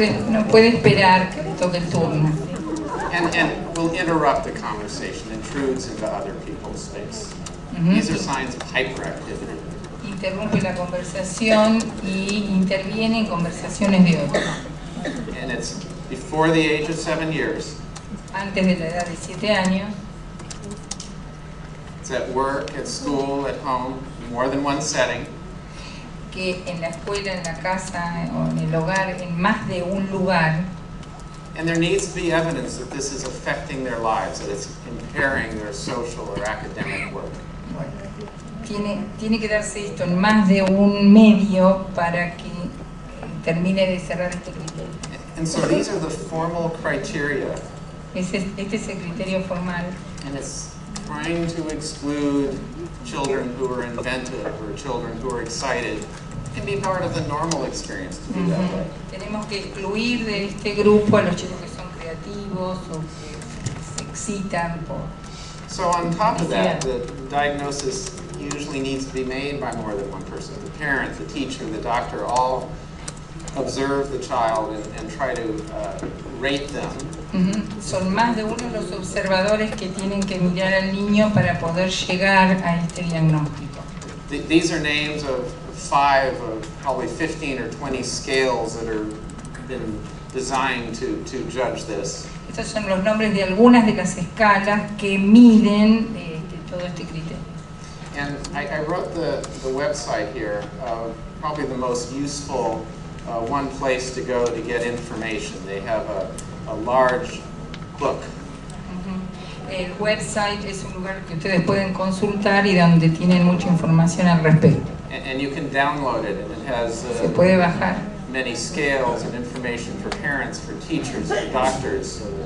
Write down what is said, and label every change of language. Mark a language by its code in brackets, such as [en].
[es] No puede esperar que le toque el turno. [en] And will interrupt the conversation, intrudes into other people's space. These are signs of hyperactivity. [es] Interrumpe la conversación y interviene en conversaciones de otros. [en] And it's before the age of 7 years. [es] Antes de la edad de 7 años. [en] It's at work, at school, at home, more than one setting. [es] Que en la escuela, en la casa, o en el hogar, en más de un lugar. [en] And there needs to be evidence that this is affecting their lives, that it's impairing their social or academic work. [es] Tiene que darse esto en más de un medio para que termine de cerrar este criterio. [en] And so these are the formal criteria. [es] Este es el criterio formal. [en] And it's trying to exclude children who are inventive or children who are excited. It can be part of the normal experience to be that way. [es] Tenemos que excluir de este grupo a los chicos que son creativos o que se excitan por. [en] So on top of that, the diagnosis usually needs to be made by more than one person. The parent, the teacher, the doctor all observe the child and try to rate them. [es] Son más de uno los observadores que tienen que mirar al niño para poder llegar a este diagnóstico. [en] These are names of 5 of probably 15 or 20 scales that are been designed to judge this. [es] Estos son los nombres de algunas de las escalas que miden todo este criterio. [en] And I wrote the website here, probably the most useful one place to go to get information. They have a large book. [es] El website es un lugar que ustedes pueden consultar y donde tienen mucha información al respecto. [en] And you can download it, and it has [es] se puede bajar. [en] Many scales and information for parents, for teachers, for doctors.